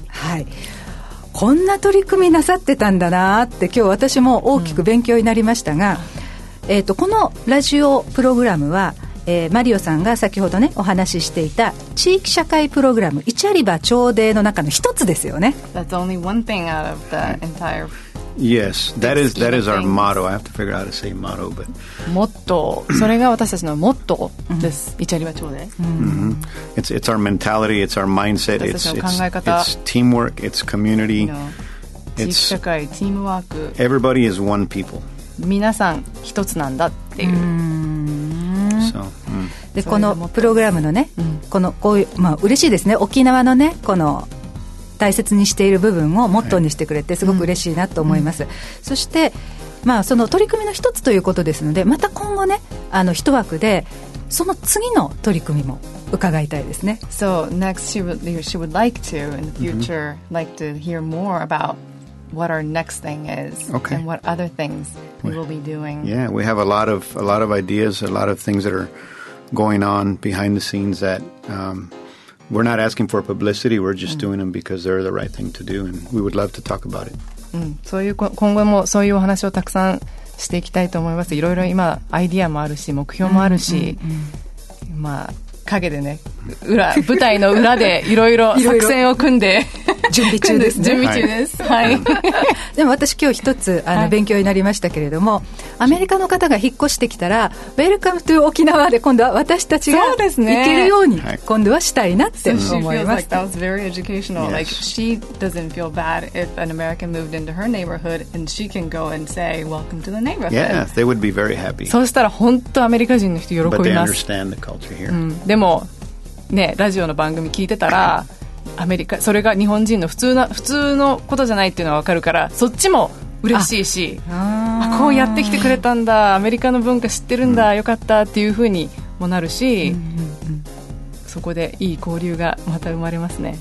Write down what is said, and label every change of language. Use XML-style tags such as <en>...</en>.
<ja>はい、こんな取り組みなさってたんだなって今日私も大きく勉強になりましたが、うん、このラジオプログラムは、マリオさんが先ほどねお話ししていた地域社会プログラムイチャリバ朝礼の中の一つですよね。</ja> <en>That's only one thing out of the entire. Yes, that is our motto. I have to figure out how to say motto, but</en> <ja>モットー、それが私たちのモットーです。イチャリバ朝礼。</ja> <en>It's our mentality, it's our mindset, it's teamwork, it's community, you know,</en> <ja>地域社会、チームワーク、</ja> <en>everybody is one people.</en> <ja>皆さん一つなんだっていう。でこのプログラムのね、このこういう、まあ、嬉しいですね、沖縄のねこの大切にしている部分をモットーにしてくれてすごく嬉しいなと思います。はい、うん、そして、まあ、その取り組みの一つということですので、また今後ね一枠でその次の取り組みも伺いたいですね。</ja> <en>So next she would like to in the future、mm-hmm. like to hear more aboutWhat our next thing is, okay. And what other things we will be doing. Yeah, we have a lot of ideas, a lot of things that are going on behind the scenes that we're not asking for publicity. We're just doing them because they're the right thing to do, and we would love to talk about it.</en> <ja>そういう今後もそういうお話をたくさんしていきたいと思います。いろいろ今アイディアもあるし、目標もあるし、まあ陰でね、舞台の裏でいろいろ作戦を組んで準備中ですね。準備中です。はい。でも私今日一つ勉強になりましたけれども、はい、アメリカの方が引っ越してきたら、</ja> <en>ウェルカムトゥ</en> <ja>沖縄で今度は私たちが行けるように今度はしたいなって思います。</ja> <en>So she feels like that was very educational. Like she doesn't feel bad if an American moved into her neighborhood and she can go and say welcome to the neighborhood. Yeah, they would be very happy.</en> <ja>そうしたら本当アメリカ人の人喜びます。</ja> <en>But they understand the culture here.</en> <ja>でもね、ラジオの番組聞いてたら。アメリカ、それが日本人の普通のことじゃないっていうのは分かるから、そっちも嬉しいし、ああこうやってきてくれたんだ、アメリカの文化知ってるんだ、よかったっていうふうにもなるし、そこでいい交流がまた生まれますね。</ja>